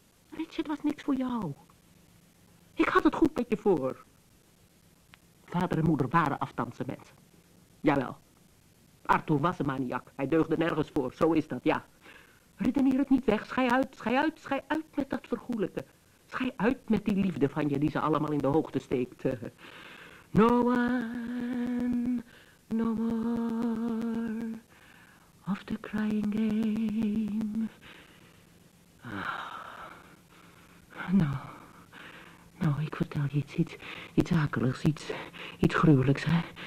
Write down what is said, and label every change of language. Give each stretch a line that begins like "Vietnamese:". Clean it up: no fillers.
Dutch: Richard was niks voor jou. Ik had het goed met je voor. Vader en moeder waren aftandse mensen. Jawel. Arthur was een maniak. Hij deugde nergens voor. Zo is dat, ja. Redeneer het niet weg. Schei uit met dat vergoelijke. Schei uit met die liefde van je die ze allemaal in de hoogte steekt.
English: No one, no more of the crying game.
Dutch: Nou, ik vertel je iets akeligs, iets gruwelijks, hè.